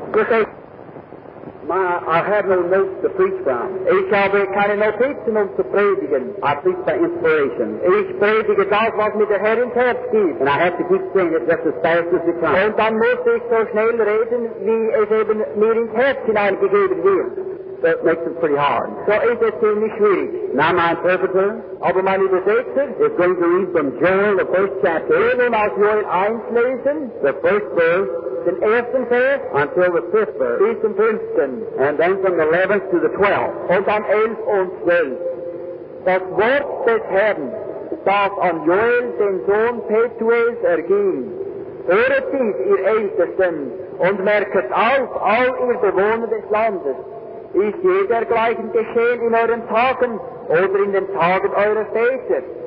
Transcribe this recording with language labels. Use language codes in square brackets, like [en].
[en] I have no notes to preach from. [de] Ich habe keine Notizen, um zu predigen. [en] I preach by inspiration. [de] Ich predige das, was mir der Herr ins Herz gibt. [en] And I have to keep saying it just as fast as it comes. [de] Und dann muss ich so schnell reden, wie es eben mir ins Herz hineingegeben wird. [en] That makes it pretty hard. [de] So is it ziemlich schwierig. [en] Now my interpreter, [de] aber mein Übersetzer, [en] is going to read from Joel, the first chapter. [de] Eben aus Joel 1 lesen. [en] The first verse. [de] Den ersten Vers. [en] Until the fifth verse. [de] Bis zum fünften. [en] And then from the 11th to the 12th. [de] Und dann 11 und 12. Das Wort des Herrn, das an Joel, den Sohn Petuels, erging. Hört dies, ihr Ältesten, und merket auf, all ihr Bewohner des Landes. Ist jedergleichen geschehen in euren Tagen oder in den Tagen eurer Väter?